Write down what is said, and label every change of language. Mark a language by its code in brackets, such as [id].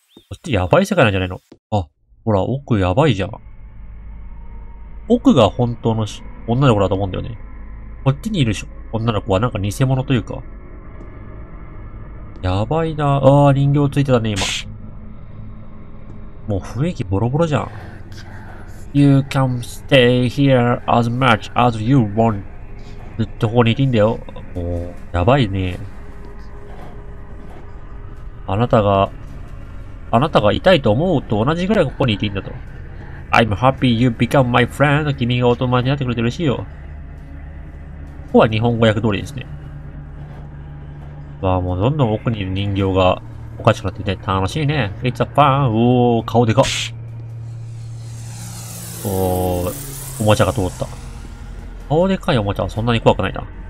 [ja] こっちやばい世界なんじゃないの？あ、ほら、奥やばいじゃん。奥が本当の女の子だと思うんだよね。こっちにいる女の子はなんか偽物というか。やばいな。ああ、人形ついてたね、今。もう雰囲気ボロボロじゃん。 [en] You can stay here as much as you want. [ja] ずっとここにいていいんだよ。もう、やばいね。あなたが痛いと思うと同じぐらいここにいていいんだと。 [en] I'm happy you become my friend. [ja] 君がお友達になってくれて嬉しいよ。ここは日本語訳通りですね。わあ、もうどんどん奥にいる人形がおかしくなってて楽しいね。 [en] It's a fun. [ja] おお、顔でかっ。おお、おもちゃが通った。顔でかいおもちゃはそんなに怖くないな。